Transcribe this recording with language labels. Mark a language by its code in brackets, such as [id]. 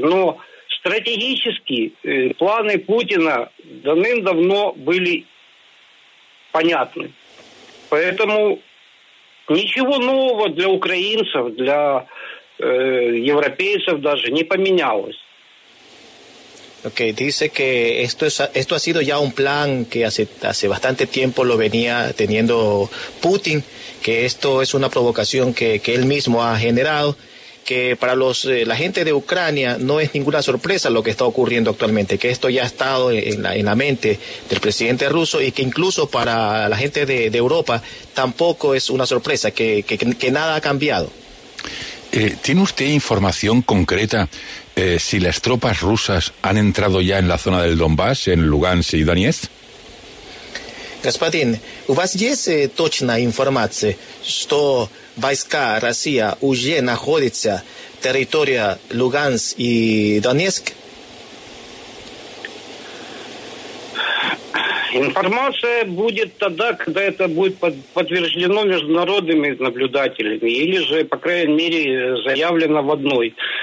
[ru] Но стратегически планы Путина давным-давно были понятны. Поэтому ничего нового для украинцев, для европейцев даже не поменялось. [es] Okay, dice que esto ha sido ya un plan que hace bastante tiempo lo venía teniendo Putin, que esto es una provocación que él mismo ha generado, que para la gente de Ucrania no es ninguna sorpresa lo que está ocurriendo actualmente, que esto ya ha estado en la mente del presidente ruso y que incluso para la gente de Europa tampoco es una sorpresa, que nada ha cambiado. ¿Tiene usted información concreta si las tropas rusas han entrado ya en la zona del Donbass, en Lugansk y Donetsk? [ru] Господин, у вас есть точная информация, что войска России уже находятся на территории Луганск и Донецк? Информация будет тогда, когда это будет подтверждено международными наблюдателями или же, по крайней мере, заявлено в одной.